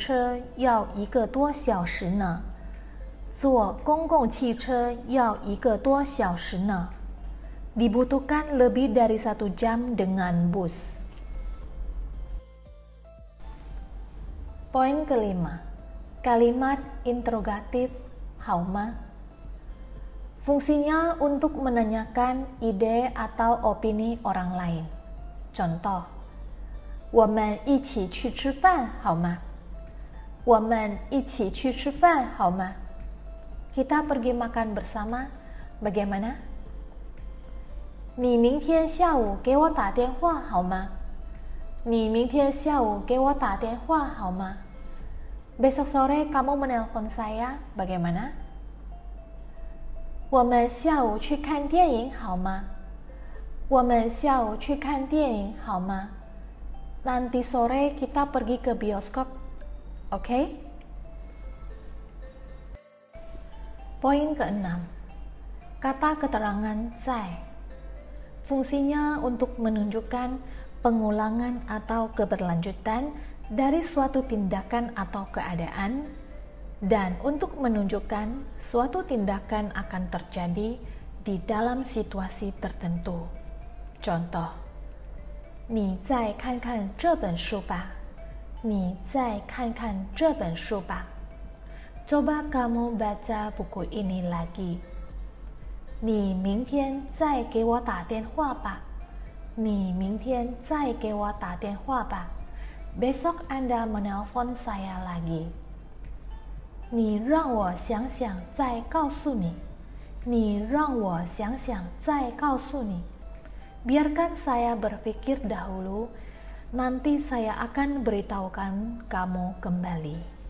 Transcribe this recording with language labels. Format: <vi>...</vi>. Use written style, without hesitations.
<zh>坐公共汽车要一个多小时呢.坐公共汽车要一个多小时呢.</zh> <id>Dibutuhkan lebih dari 1 jam dengan bus. Poin kelima, kalimat interrogatif how ma. Fungsinya untuk menanyakan ide atau opini orang lain.</id> <zh>Contoh, 我们一起去吃饭好吗? 我们一起去吃饭好吗?</zh> <id>Kita pergi makan bersama, bagaimana?</id> <zh>你明天下午给我打电话好吗?你明天下午给我打电话好吗?</zh> <id>Besok sore kamu menelpon saya, bagaimana?</id> <zh>我们下午去看电影好吗?我们下午去看电影好吗?</zh> <id>Nanti sore kita pergi ke bioskop, oke? Poin ke-6, kata keterangan 在, fungsinya untuk menunjukkan pengulangan atau keberlanjutan dari suatu tindakan atau keadaan, dan untuk menunjukkan suatu tindakan akan terjadi di dalam situasi tertentu.</id> <zh>Contoh, 你再看看这本书吧. 你再看看这本书吧.</zh> <id>Coba kamu baca buku ini lagi.</id> <zh>你明天再给我打电话吧.你明天再给我打电话吧.</zh> <id>Besok Anda menelpon saya lagi.</id> <zh>你让我想想再告诉你.你让我想想再告诉你.</zh> <id>Biarkan saya berpikir dahulu, nanti saya akan beritahukan kamu kembali.</id>